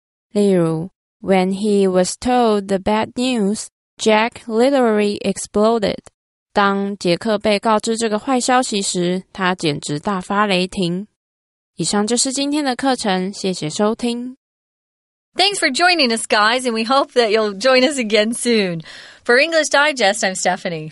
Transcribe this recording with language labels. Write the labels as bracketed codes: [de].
[zh] 例如 [en] When he was told the bad news, Jack literally exploded. [zh] 当杰克被告知这个坏消息时，他简直大发雷霆。以上就是今天的课程，谢谢收听。 [en] Thanks for joining us, guys, and we hope that you'll join us again soon. For English Digest, I'm Stephanie.